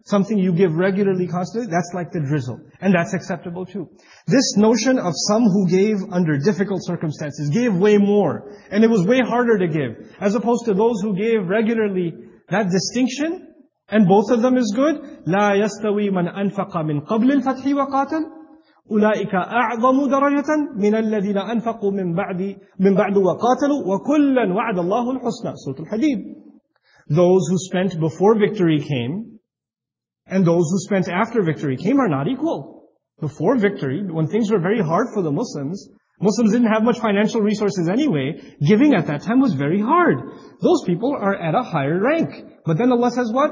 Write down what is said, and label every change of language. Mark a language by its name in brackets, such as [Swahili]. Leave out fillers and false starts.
[English] something you give regularly, constantly, that's like the drizzle. And that's acceptable too. This notion of some who gave under difficult circumstances, gave way more, and it was way harder to give, as opposed to those who gave regularly, that distinction, and both of them is good. [Arabic] لا يستوي من أنفق من قبل الفتح وقاتل أولئك أعظم درجة من الذين أنفقوا من بعد وقاتلوا وكلا وعد الله الحسنى. سورة الحديد. [English] Those who spent before victory came, and those who spent after victory came are not equal. Before victory, when things were very hard for the Muslims, Muslims didn't have much financial resources anyway, giving at that time was very hard. Those people are at a higher rank. But then Allah says what?